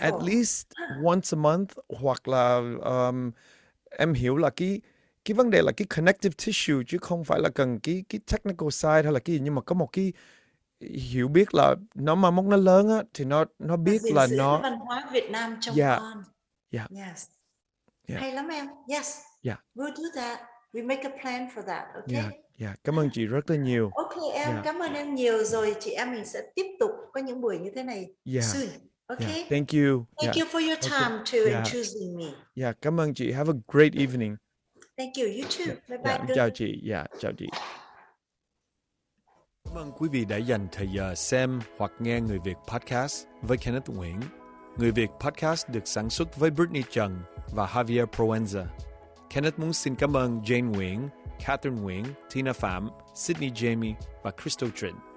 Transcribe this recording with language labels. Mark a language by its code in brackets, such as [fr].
[en] at least once a month [vi] hoặc là em hiểu là cái vấn đề là cái [en] connective tissue [vi] chứ không phải là cần cái [en] technical side [vi] hay là cái gì, nhưng mà có một cái hiểu biết là nó mà mốc nó lớn á thì nó biết là nó văn hóa Việt Nam trong con. [en] Yeah. Yes. Yeah. Hay lắm em. Yes. Yeah. We'll do that. We make a plan for that. Okay. Yeah. Yeah. [vi] Cảm ơn chị rất là nhiều. [en] Okay em. Yeah. [vi] Cảm ơn em nhiều, rồi chị em mình sẽ tiếp tục có những buổi như thế này. [en] Yeah. Soon. Okay. Yeah. Thank you. Thank you for your time too and choosing me. Yeah. [vi] Cảm ơn chị. [en] Have a great evening. Thank you. You too. Bye-bye. Yeah. Bye. [vi] Chào chị. [en] Yeah. [vi] Chào chị. Cảm ơn quý vị đã dành thời giờ xem hoặc nghe Người Việt Podcast với Kenneth Nguyễn. Người Việt Podcast được sản xuất với Brittany Trần và Javier Proenza. Kenneth muốn xin cảm ơn Jane Nguyễn, Catherine Nguyễn, Tina Phạm, Sydney Jamie và Crystal Trinh.